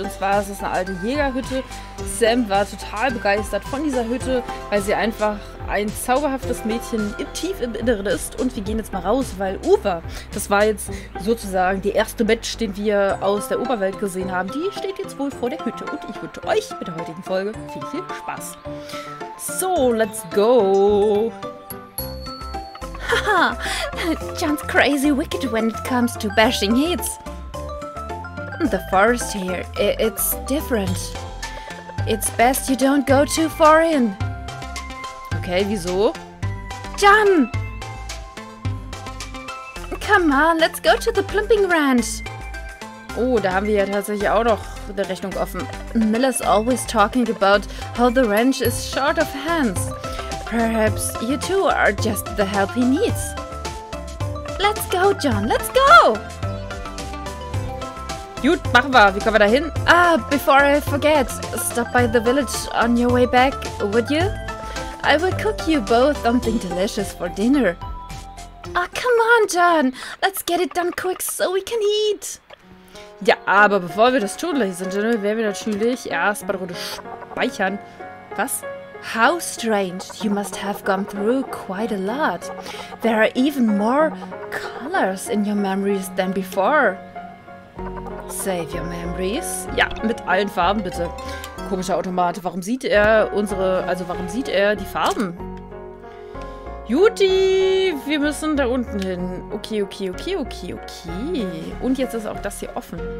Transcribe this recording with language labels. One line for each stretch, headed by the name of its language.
German: Und zwar ist es eine alte Jägerhütte. Sam war total begeistert von dieser Hütte, weil sie einfach ein zauberhaftes Mädchen tief im Inneren ist. Und wir gehen jetzt mal raus, weil Uwe, das war jetzt sozusagen der erste Match, den wir aus der Oberwelt gesehen haben, die steht jetzt wohl vor der Hütte. Und ich wünsche euch mit der heutigen Folge viel, viel Spaß.
English: So, let's go! Haha, John's crazy wicked when it comes to bashing hits. The forest here, it's different. It's best you don't go too far in.
German: Okay, wieso?
English: John! Come on, let's go to the plumping ranch.
German: Oh, da haben wir ja tatsächlich auch noch eine Rechnung offen.
English: Miller's always talking about how the ranch is short of hands. Perhaps you two are just the help he needs. Let's go, John, let's go!
German: Gut, machen wir. Wie kommen wir da hin?
English: Ah, before I forget, stop by the village on your way back, would you? I will cook you both something delicious for dinner. Ah, come on, John! Let's get it done quick so we can eat!
German: Ja, aber bevor wir das tun,
English: Ladies and Gentlemen,
German: werden wir natürlich erst mal Runde speichern. Was?
English: How strange. You must have gone through quite a lot. There are even more colors in your memories than before. Save your memories?
German: Ja, mit allen Farben bitte. Komischer Automat, warum sieht er unsere, also warum sieht er die Farben? Juti, wir müssen da unten hin. Okay, okay, okay, okay, okay. Und jetzt ist auch das hier offen.